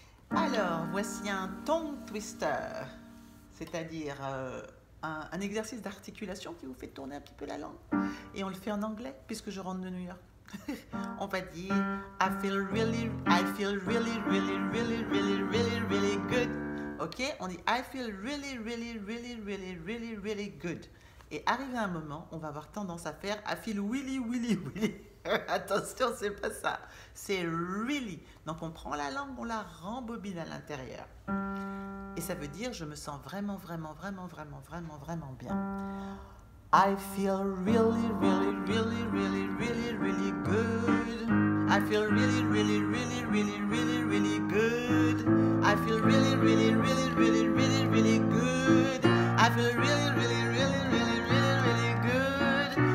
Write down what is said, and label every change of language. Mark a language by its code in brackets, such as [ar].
[fr] Alors, voici un tongue twister, c'est-à-dire un exercice d'articulation qui vous fait tourner un petit peu la langue. Et on le fait en anglais, puisque je rentre de New York. On va dire, [en] I feel really, really good. [fr] Ok, on dit, [en] I feel really good. [fr] Et arrivé un moment, on va avoir tendance à faire, [en] I feel really. [fr] Attention, c'est pas ça. C'est really. Donc, on prend la langue, on la rembobine à l'intérieur. Et ça veut dire, je me sens vraiment, vraiment, vraiment, vraiment, vraiment, vraiment bien. [en] I feel really, really, really, really, really, really good. I feel really, really, really, really, really, really good. I feel really, really, really, really, really, really good. I feel really, really, really, really, really, really good.